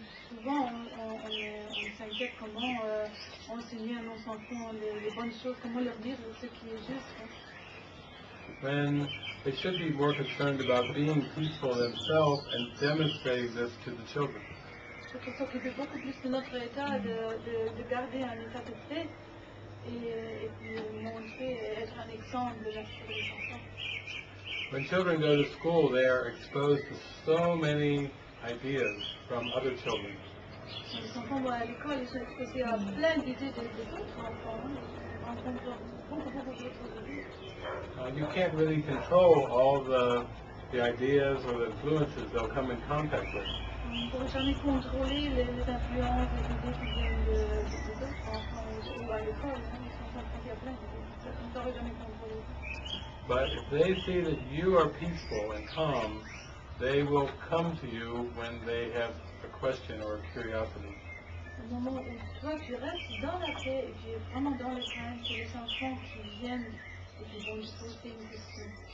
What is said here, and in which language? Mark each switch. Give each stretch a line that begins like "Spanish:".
French: Souvent, on s'inquiète comment enseigner à nos enfants les bonnes choses, comment leur dire ce qui est juste.
English: When they should be more concerned about being peaceful themselves and demonstrating this to the children.
French: Il faut s'occuper beaucoup plus de notre état, de garder un état de paix et de montrer, être un exemple de la sécurité des enfants.
English: When children go to school, they are exposed to so many ideas from other children.
French: Les enfants vont à l'école, ils sont exposés à plein d'idées des autres enfants. Ils rencontrent beaucoup d'autres idées.
English: You can't really control all the ideas or the influences they'll come in contact with.
French: On ne pourrait jamais contrôler les influences, les idées qui viennent des autres enfants ou à l'école. Ils sont en train de plein d'idées. On ne pourrait jamais contrôler.
English: But if they see that you are peaceful and calm, they will come to you when they have a question or a curiosity.
French: Au moment où toi tu restes dans la paix et tu es vraiment dans le calme, c'est les enfants qui viennent et qui vont lui poser une question.